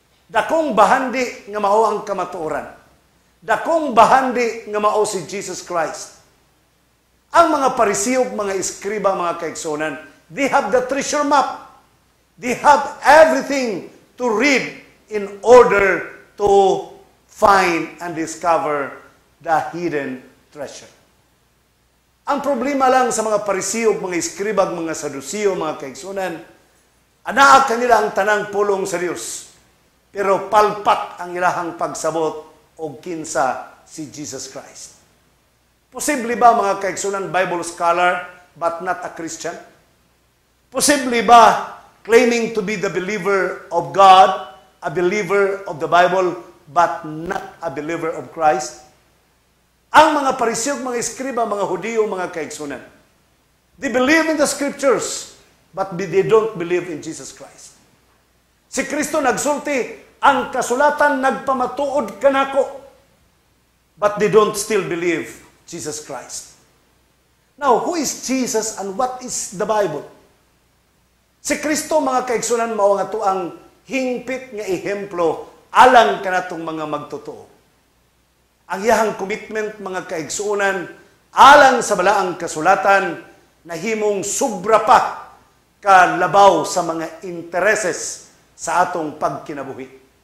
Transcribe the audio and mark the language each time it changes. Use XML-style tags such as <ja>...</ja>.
<ceb>Dakong bahandi nga mao ang kamatuoran. Dakong bahandi nga mao si Jesus Christ. Ang mga Pariseo, mga iskriba, mga kaigsoonan,</ceb> <en>they have the treasure map. They have everything to read in order to find and discover the hidden treasure.</en> <ceb>Ang problema lang sa mga Pariseo, mga iskriba, mga Saduceo, mga kaigsoonan, anaa kanila ang tanang pulong sa Dios, pero palpat ang ilahang pagsabot o kinsa si Jesus Christ.</ceb> <en>Posible ba mga kaigsoonan, Bible scholar but not a Christian? Posible ba claiming to be the believer of God, a believer of the Bible but not a believer of Christ?</en> <ceb>Ang mga Pariseo, mga iskriba, mga Hudiyo, mga kaigsoonan,</ceb> <en>they believe in the scriptures but they don't believe in Jesus Christ.</en> <ceb>Si Kristo nagsulti, ang kasulatan nagpamatuod kanako,</ceb> <en>but they don't still believe Jesus Christ. Now, who is Jesus and what is the Bible?</en> <ceb>Si Kristo, mga kaigsoonan, mao nga to ang hingpit nga ehemplo alang kanatong mga magtotoo. Ang iyahang commitment, mga kaigsoonan, alang sa balaang kasulatan, nahimong sobra pa kalabaw sa mga intereses sa atong pagkinabuhi.</ceb>